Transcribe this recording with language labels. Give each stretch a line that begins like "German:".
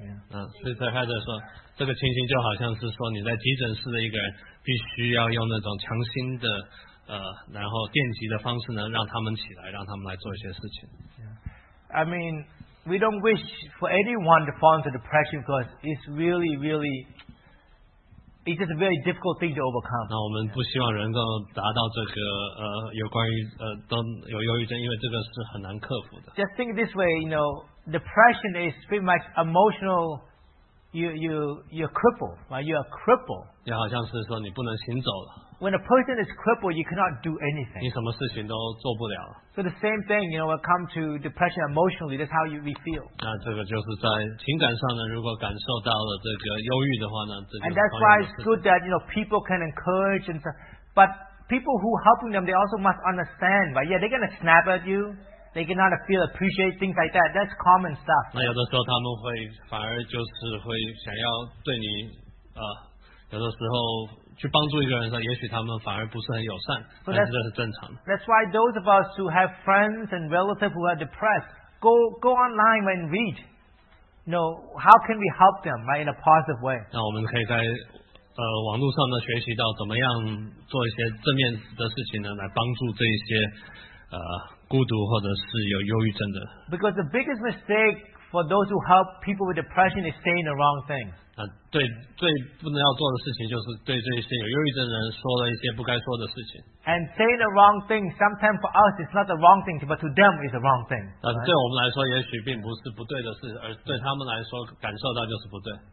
Chinese: 所以他说这个情形就好像是说你在急诊室的一个人必须要用那种强心的然后电击的方式呢让他们起来让他们来做一些事情。
English: Yeah. I mean, we don't wish for anyone to fall into depression because it's really, really, it's just a very difficult thing to overcome.
Chinese: 那我们不希望人能够达到这个有关于都有忧郁症因为这个是很难克服的。
English: Just think this way, you know, depression is pretty much emotional, you're crippled, right? You're a cripple.
Chinese: 也好像是说你不能行走了。
English: When a person is crippled, you cannot do anything.
Chinese: 你什么事情都做不了。
English: So the same thing, you know, when it comes to depression emotionally, that's how you feel.
Chinese: 那这个就是在情感上呢，如果感受到了这个忧郁的话呢，这就是。
English: And that's why it's good that you know people can encourage and, but people who helping them, they also must understand, right? Yeah, they're gonna snap at you. They cannot feel appreciate things like that. That's common stuff.
Chinese: 那有的时候他们会反而就是会想要对你，有的时候。去帮助一个人的时候，也许他们反而不是很友善，但是这是正常的。
English: That's why those of us who have friends and relatives who are depressed, go online and read. No, how can we help them, right, in a positive way?
Chinese: 那我们可以在网络上呢学习到怎么样做一些正面的事情呢，来帮助这一些孤独或者是有忧郁症的。
English: Because the biggest mistake for those who help people with depression is saying the wrong things.
Chinese: 对，最不能要做的事情就是对这些有忧郁症的人说了一些不该说的事情。
English: And saying the wrong thing, sometimes for us, it's not the wrong thing, but to them, it's the wrong thing.
Chinese: 对我们来说，也许并不是不对的事，而对他们来说，感受到就是不对。